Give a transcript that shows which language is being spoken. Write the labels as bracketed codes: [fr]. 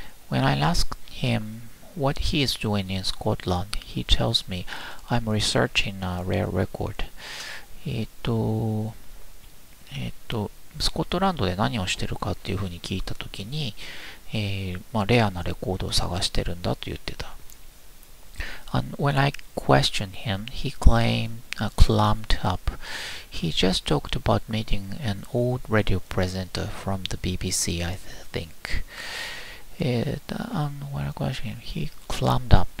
[en] When I asked him what he is doing in Scotland, he tells me I'm researching a rare record。 [ja] スコットランドで何をしてるかっていうふうに聞いたときに、まあ、レアなレコードを探してるんだと言ってた。 [en] And when I questioned him, he clammed up. He just talked about meeting an old radio presenter from the BBC, I think. And when I questioned him, he clammed up.